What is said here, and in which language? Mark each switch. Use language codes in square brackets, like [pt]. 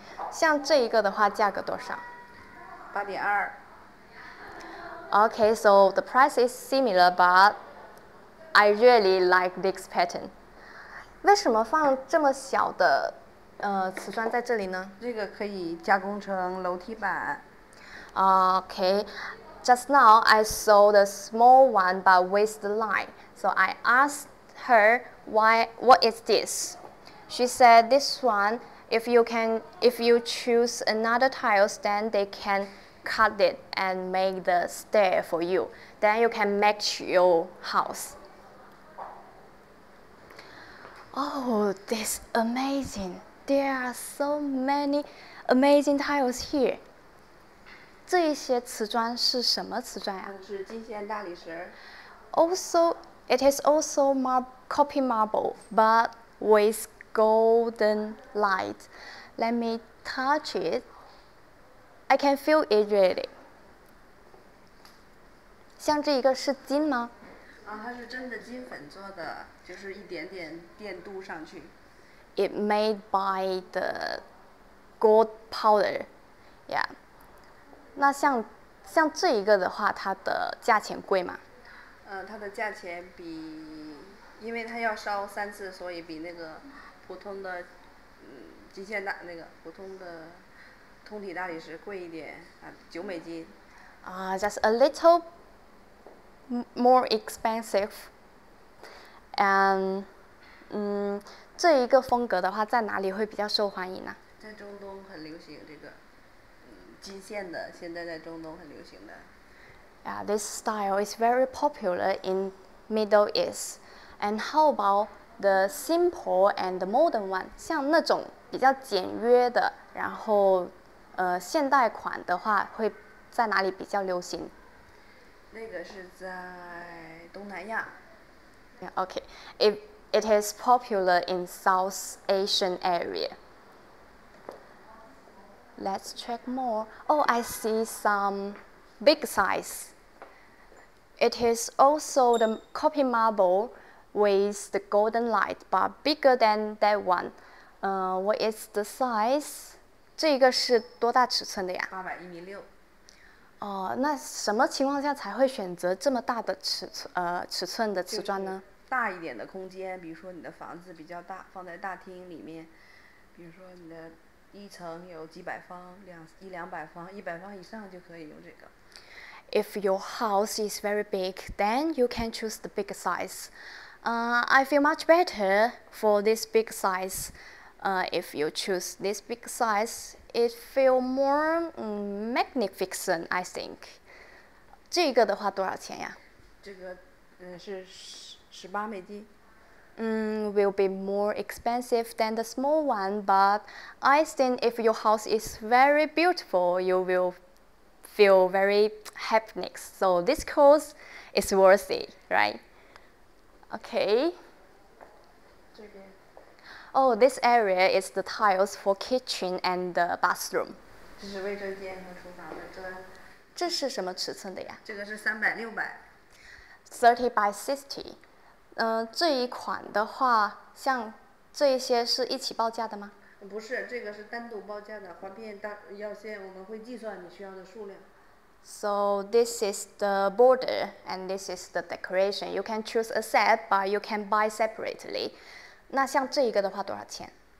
[zh] 像这一个的话，价格多少? 8.2. [en] Okay, so the price is similar, but I really like this pattern. [zh] 为什么放这么小的？瓷砖在这里呢? 这个可以加工成楼梯板 [en] Okay, just now I saw the small one but with the line So I asked her why, what is this? She said this one, if you choose another tile then they can cut it and make the stair for you Then you can match your house Oh, this amazing! There are so many amazing tiles here. [zh] 这些瓷砖是什么瓷砖呀？是金线大理石。 [en] Also, it is also copper marble, but with golden light. Let me touch it. I can feel it really. [zh] 像这一个是金吗？啊，它是真的金粉做的，就是一点点电镀上去。 [en] It made by the gold powder, yeah. [zh] 那像这一个的话，它的价钱贵吗？它的价钱比，因为它要烧三次，所以比那个普通的金线大那个普通的通体大理石贵一点啊，$9。 [en] Just a little more expensive. [zh] And 这一个风格的话，在哪里会比较受欢迎呢？在中东很流行这个，金线的，现在在中东很流行的。 [en] Yeah, this style is very popular in Middle East. And how about the simple and the modern one? [zh] 像那种比较简约的，然后现代款的话，会在哪里比较流行？那个是在东南亚。 [en] Yeah, okay. It is popular in South Asian area. Let's check more. Oh, I see some big size. It is also the copper marble with the golden light, but bigger than that one. What is the size? [zh] 这一个是多大尺寸的呀？ 800.16。哦，那什么情况下才会选择这么大的尺寸的瓷砖呢？大一点的空间，比如说你的房子比较大，放在大厅里面，比如说你的一层有几百方，一两百方，100方以上就可以用这个。 [en] If your house is very big, then you can choose the big size. I feel much better for this big size. If you choose this big size, it feels more magnificent, I think. [zh] 这个的话多少钱呀？这个是$18。 [en] Will be more expensive than the small one, but I think if your house is very beautiful, you will feel very happy. So this cost is worth it, right? Okay. Oh, this area is the tiles for kitchen and the bathroom. [zh] 这是卫生间和厨房的砖。这是什么尺寸的呀？这个是300/600。 30x60。这一款的话，像这一些是一起报价的吗？不是，这个是单独报价的，环片大要先我们会计算你需要的数量。 [en] So this is the border and this is the decoration. You can choose a set, but you can buy separately. [zh] 那像这一个的话多少钱？